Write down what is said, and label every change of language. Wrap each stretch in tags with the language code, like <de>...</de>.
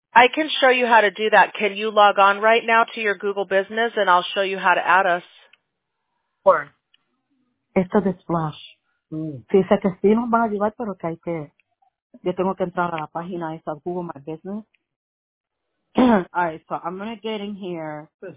<en>I can show you how to do that. Can you log on right now to your Google Business, and I'll show you how to add us. Or.</en> <es>Esto de Splash. Sí, sé que sí nos van a ayudar, pero que hay que... Yo tengo que entrar a la página esa de Google My Business.</es> <en>All right, so I'm going to get in here.</en>